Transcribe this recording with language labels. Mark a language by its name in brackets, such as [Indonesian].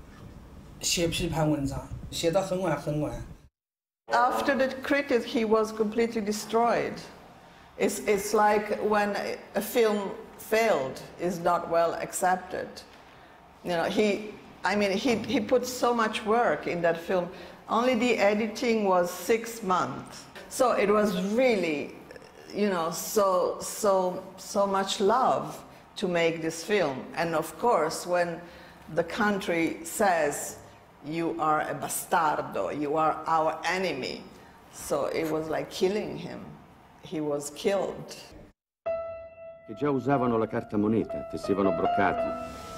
[Chinese] 后来从中央到地方，就是真的开始大批判了。后来我们苏州市外事办的翻译他们来找我，去写文章，写批判文章，写到很晚很晚。 [English] After the critic, he was completely destroyed. It's like when a film failed, is not well accepted. You know, he put so much work in that film. Only the editing was 6 months. So it was really, you know, so much love to make this film. And of course, when the country says, you are a bastardo, you are our enemy. So it was like killing him. He was killed. [Italian] Che già usavano la carta moneta, tessevano broccati.